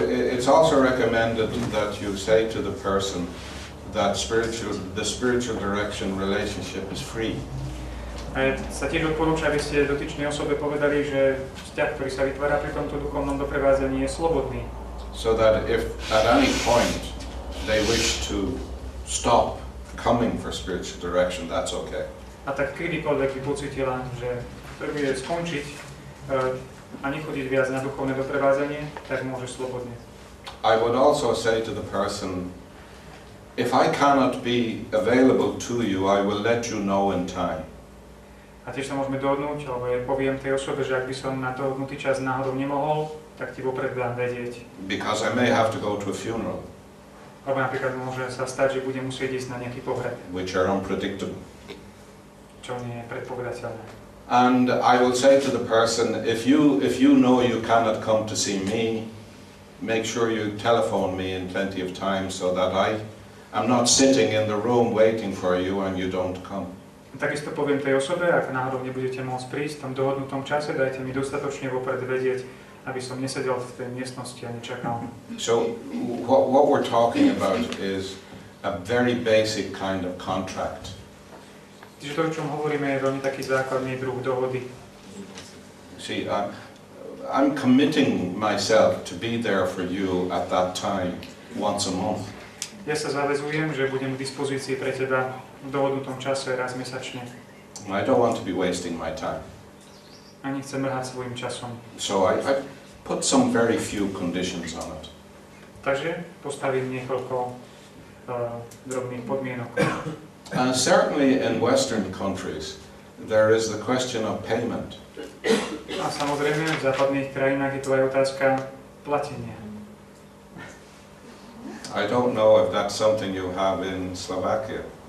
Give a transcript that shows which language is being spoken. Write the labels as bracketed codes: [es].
[en] It's also recommended that you say to the person that the spiritual direction relationship is free. [sk] A sa tiež odporúča, aby ste dotyčnej osobe povedali, že vzťah, ktorý sa vytvára pri tomto duchovnom doprevádzaní, je slobodný. [en] So that if at any point they wish to stop coming for spiritual direction, that's okay. [sk] A tak kedykoľvek by pocítila, že prvý je skončiť a nechodiť viac na duchovné doprevádzanie, tak môže slobodne. [en] I would also say to the person, if I cannot be available to you, I will let you know in time. [sk] A tiež sa môžeme dohodnúť, alebo ja poviem tej osobe, že ak by som na dohodnutý čas náhodou nemohol, tak ti vopred dám vedieť. [en] Because I may have to go to a funeral. [sk] Alebo napríklad môže sa stať, že budem musieť ísť na nejaký pohreb. [en] Which are unpredictable. [sk] Čo nie je predpovedateľné. [en] And I will say to the person, if you know you cannot come to see me, make sure you telephone me in plenty of time so that I am not sitting in the room waiting for you and you don't come. [sk] Takisto poviem tej osobe, ak náhodou nebudete môcť prísť, tam dohodnutom čase dajte mi dostatočne vopred vedieť, aby som nesedel v tej miestnosti a nečakal. [en] So what we're talking about is a very basic kind of contract. [sk] Čiže to, o čom hovoríme, je veľmi taký základný druh dohody. [en] See, I'm committing myself to be there for you at that time once a month. [sk] Ja sa zaväzujem, že budem k dispozícii pre teba v dohodnutom čase raz mesačne. [en] I don't want to be wasting my time. [sk] A nechcem mrhať svojim časom. [en] So I put some very few conditions on it. [sk] Takže postavím niekoľko drobných podmienok. [en] And certainly in Western countries there is the question of payment. [sk] A samozrejme v západných krajinách je to aj otázka platenia. [en] I don't know if that's something you have in Slovakia.